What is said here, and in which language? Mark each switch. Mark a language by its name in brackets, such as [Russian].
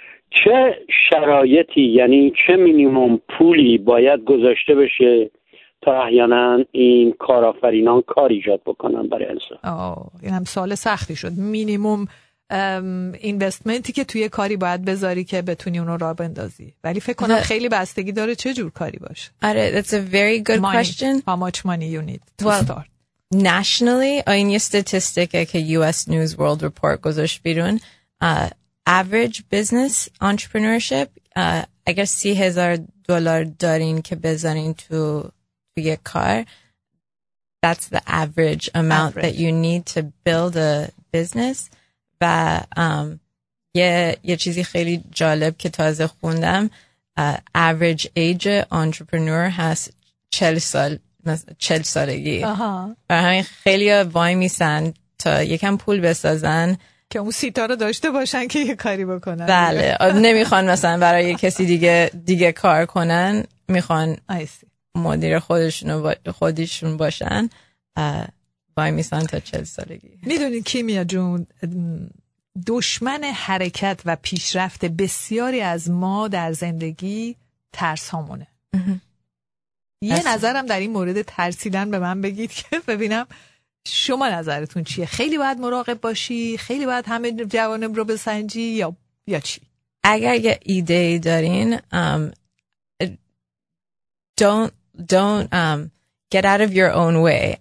[Persian] چه شرایطی، یعنی چه مینیمم پولی باید گذاشته بشه تا احیانا این کارآفرینان کار ایجاد بکنن برای انسان؟ این هم سوال سختی شد. مینیمم اینوستمنتی که توی کاری باید بذاری که بتونی اونو راه بندازی، ولی فکر کنم خیلی بستگی داره چه جور کاری باشه. آره، [English] that's a very good question. How much money you need to start? [Persian] Nationally, این یه استاتستیکه که US News World Report گذاشت بیرون. [English] Average business entrepreneurship, [Persian] اگر $30,000 دارین که بذارین تو یه کار، [English] that's the average amount that you need to build a business. [Persian] و یه چیزی خیلی جالب که تازه خوندم، [English] average age entrepreneur [Persian] هست 40 سالگی. برای همین خیلی وای میسن تا یکم پول بسازن که اون سیتا رو داشته باشن که یه کاری بکنن. بله. نمیخوان مثلا برای کسی دیگه کار کنن، میخوان مدیر خودشون باشن. وای میسن تا 40 سالگی. میدونین کیمیا جون، دشمن حرکت و پیشرفت بسیاری از ما در زندگی ترس هامونه. یه نظرم در این مورد ترسیدن به من بگید که ببینم شما نظرتون چیه؟ خیلی باید مراقب باشی؟ خیلی باید همه جوانب رو بسنجی یا چی؟ اگر یه ایده دارین [English] don't get out of your own way.